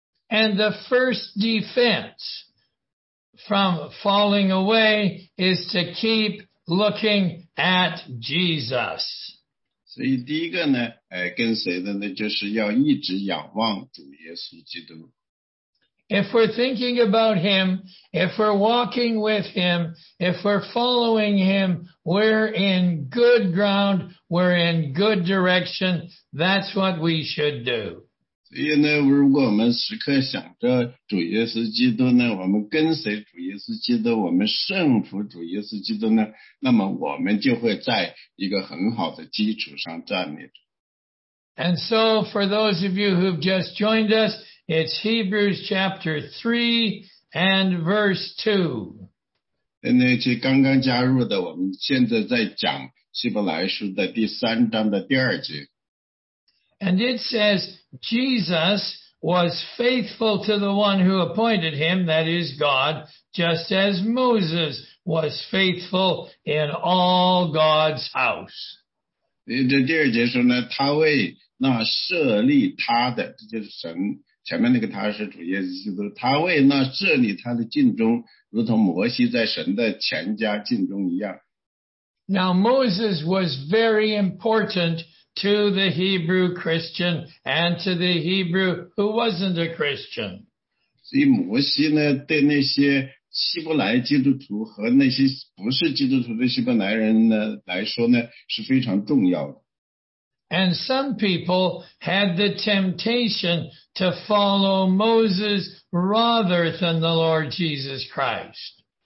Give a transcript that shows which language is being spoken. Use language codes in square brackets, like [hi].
[en] And the first defense from falling away is to keep looking at Jesus. [zh] 所以第一个呢，跟随的呢，就是要一直仰望主耶稣基督。 [en] If we're thinking about him, if we're walking with him, if we're following him, we're in good ground, we're in good direction. That's what we should do. [zh] 所以呢，如果我们时刻想着主耶稣基督呢，我们跟随主耶稣基督，我们顺服主耶稣基督呢，那么我们就会在一个很好的基础上站立着。 [en] And so for those of you who've just joined us, it's Hebrews chapter 3 and verse 2. [zh] 那些刚刚加入的，我们现在在讲希伯来书的第三章的第二节。 [en] And it says, Jesus, was faithful to the one who appointed him, that is God, just as Moses was faithful in all God's house. [zh] 第二节说呢, 他为那设立他的, 这就是神, 前面那个他是主耶稣基督, 他为那设立他的敬忠, 如同摩西在神的全家敬忠一样。 [en] Now Moses was very important to the Hebrew Christian and to the Hebrew who wasn't a Christian. [zh] 所以摩西呢, 对那些希伯来基督徒和那些不是基督徒的希伯来人呢来说呢是非常重要的。 [en] And some people had the temptation to follow Moses rather than the Lord Jesus Christ.